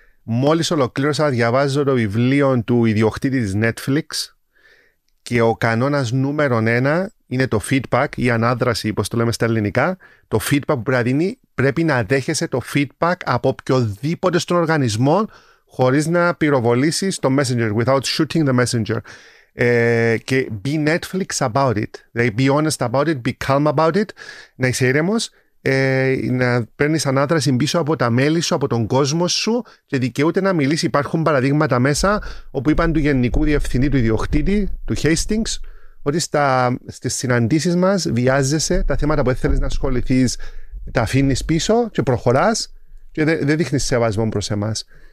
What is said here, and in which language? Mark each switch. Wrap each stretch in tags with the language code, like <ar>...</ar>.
<el>Μόλις ολοκλήρωσα διαβάζω το βιβλίο του ιδιοκτήτη της Netflix και ο κανόνας νούμερο ένα είναι το feedback, η ανάδραση, όπως το λέμε στα ελληνικά. Το feedback που πρέπει να δίνει, πρέπει να δέχεσαι το feedback από οποιοδήποτε στον οργανισμό, χωρίς να πυροβολήσεις το messenger,</el> <en>without shooting the messenger.</en> <el>Και</el> <en>be Netflix about it. Like, be honest about it, be calm about it.</en> <el>Να είσαι ήρεμος, να παίρνεις ανάδραση πίσω από τα μέλη σου, από τον κόσμο σου και δικαιούται να μιλήσει. Υπάρχουν παραδείγματα μέσα όπου είπαν του γενικού διευθυντή, του ιδιοκτήτη, του Hastings, ότι στις συναντήσεις μας βιάζεσαι τα θέματα που θέλεις να ασχοληθείς, τα αφήνεις πίσω και προχωράς και δεν δείχνεις σεβασμό προς εμάς.</el>